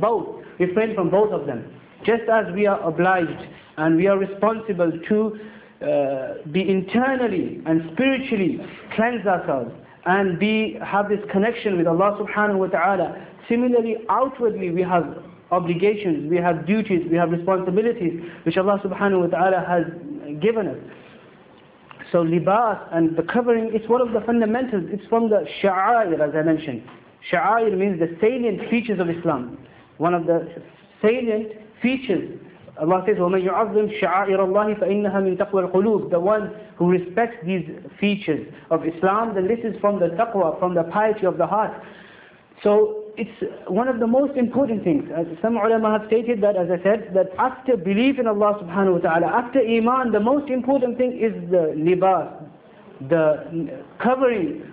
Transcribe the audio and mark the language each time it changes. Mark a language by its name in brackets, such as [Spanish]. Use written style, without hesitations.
[English] Both, refrain from both of them. Just as we are obliged and we are responsible to be internally and spiritually cleanse ourselves and have this connection with Allah subhanahu wa ta'ala, similarly outwardly we have obligations, we have duties, we have responsibilities which Allah subhanahu wa ta'ala has given us. So libas and the covering, it's one of the fundamentals, it's from the sha'air, as I mentioned. Sha'air means the salient features of Islam. One of the salient features. [Arabic] Allah says, وَمَنْ يُعَظِّمْ شَعَائِرَ اللَّهِ فَإِنَّهَا مِنْ تَقْوَى الْقُلُوبِ. [English] The one who respects these features of Islam, then this is from the taqwa, from the piety of the heart. So it's one of the most important things. As some ulama have stated that, as I said, that after belief in Allah subhanahu wa ta'ala, after iman, the most important thing is the libas, the covering